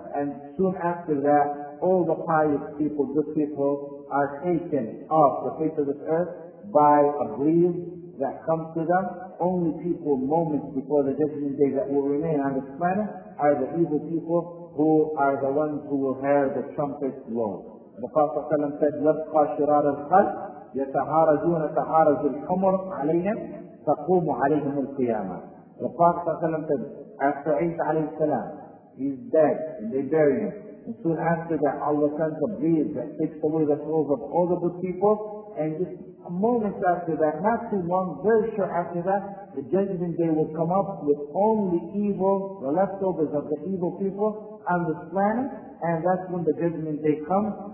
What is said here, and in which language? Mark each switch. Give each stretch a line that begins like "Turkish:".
English: And soon after that, all the pious people, good people, are taken off the face of this earth by a breeze that comes to them. Only people moments before the judgment day that will remain on this planet are the evil people, who are the ones who will hear the trumpet blow. The Prophet sallam said,
Arabic: يَبْقَى شِرَارَ الْخَلْقِ يتهارجون تهارج الحمر عليهم تقوم عليهم القيامة.
English: The Prophet sallam said, after Isa alayhi salam, he's dead, and they bury him. And soon after that, Allah sends a breeze that takes away the souls of all the good people, and just a moment after that, not too long, very short after that, the judgment day will come up with only evil, the leftovers of the evil people on this planet, and that's when the judgment day comes.